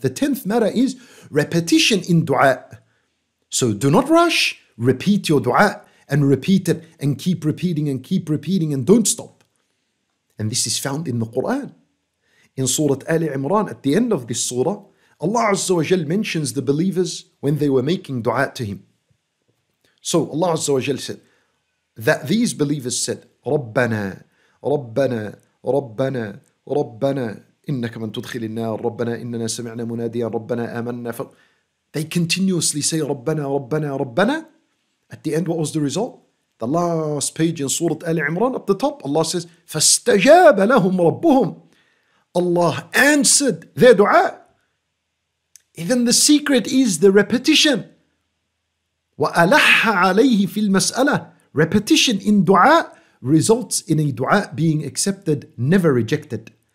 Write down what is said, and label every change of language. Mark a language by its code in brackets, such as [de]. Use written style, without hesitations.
[en] The 10th matter is repetition in dua. So do not rush, repeat your dua and repeat it and keep repeating and keep repeating and don't stop. And this is found in the Quran. In Surah Ali Imran, at the end of this surah, Allah Azza wa Jal mentions the believers when they were making dua to Him. So Allah Azza wa Jal said that these believers said, [ar] رَبَّنَا رَبَّنَا رَبَّنَا رَبَّنَا إِنَّكَ مَنْ تُدْخِلِ النَّارِ رَبَّنَا إِنَّنَا سَمِعْنَا مُنَادِيًا رَبَّنَا آمَنَّا. [en] They continuously say, [ar] رَبَّنَا رَبَّنَا رَبَّنَا. [en] At the end, what was the result? The last page in Surah Ali Imran, up the top, Allah says, [ar] فَاسْتَجَابَ لَهُمْ رَبُّهُمْ. [en] Allah answered their dua. Even the secret is the repetition. [ar] وَأَلَحَّ عَلَيْهِ فِي الْمَسْأَلَةِ [en] Repetition in dua results in a dua being accepted, never rejected.